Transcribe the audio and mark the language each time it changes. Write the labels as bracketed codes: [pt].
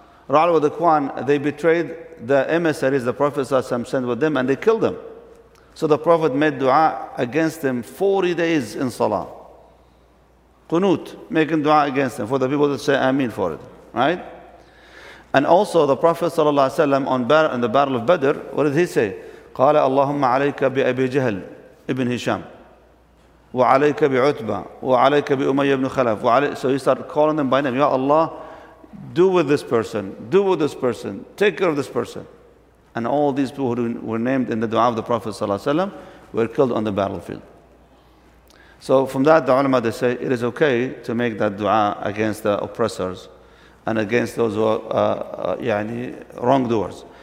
[en] Ra'al wa dhaqwan, they betrayed the emissaries the Prophet ﷺ sent with them, and they killed them. So the Prophet made dua against them 40 days in salah. Qunut, making dua against them for the people that say ameen for it, right? And also the Prophet ﷺ in the Battle of Badr, what did he say? [ar] قَالَ اللَّهُمَّ عَلَيْكَ بِأَبِي جَهْلٍ ابن هِشَامٍ وَعَلَيْكَ بِعُتْبَ وَعَلَيْكَ بِأُمَيَّ ابْنُ خَلَفٍ وَعَلَيْكَ [en] So he started calling them by name. Ya Allah, do with this person, do with this person, take care of this person. And all these people who were named in the dua of the Prophet ﷺ were killed on the battlefield. So from that, the ulama, they say, it is okay to make that dua against the oppressors and against those who are wrongdoers.